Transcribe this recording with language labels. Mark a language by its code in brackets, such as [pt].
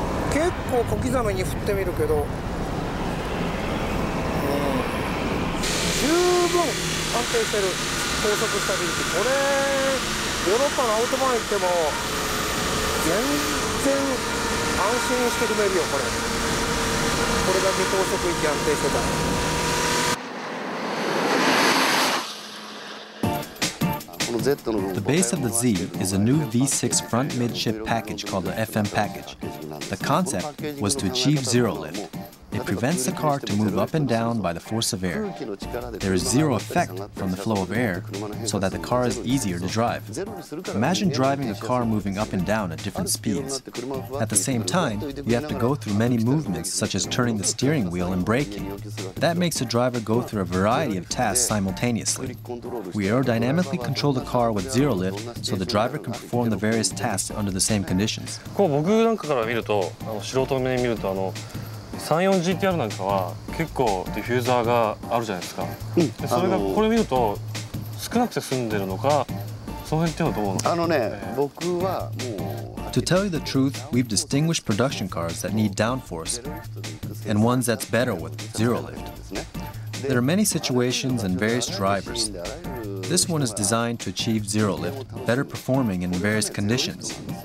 [ja] 結構小刻みに振ってみるけど、十分安定してる。高速スタビリティ、これヨーロッパのアウトバーン行っても全然安心して踏めるよ。これこれだけ高速域安定してた。 [en] The base of the Z is a new V6 front midship package called the FM package. The concept was to achieve zero lift. It prevents the car to move up and down by the force of air. There is zero effect from the flow of air, so that the car is easier to drive. Imagine driving a car moving up and down at different speeds. At the same time, you have to go through many movements, such as turning the steering wheel and braking. That makes the driver go through a variety of tasks simultaneously. We aerodynamically control the car with zero lift, so the driver can perform the various tasks under the same conditions. [ja] こう僕なんかから見ると、素人目に見ると、34GTR なんかは結構ディフューザーがあるじゃないですか、うん、それがこれ見ると少なくて済んでるのか、その辺ってのはどうなんですか。あのね、僕はもう [en] To tell you the truth, we've distinguished production cars that need downforce and ones that's better with zero lift. There are many situations and various drivers. This one is designed to achieve zero lift, better performing in various conditions.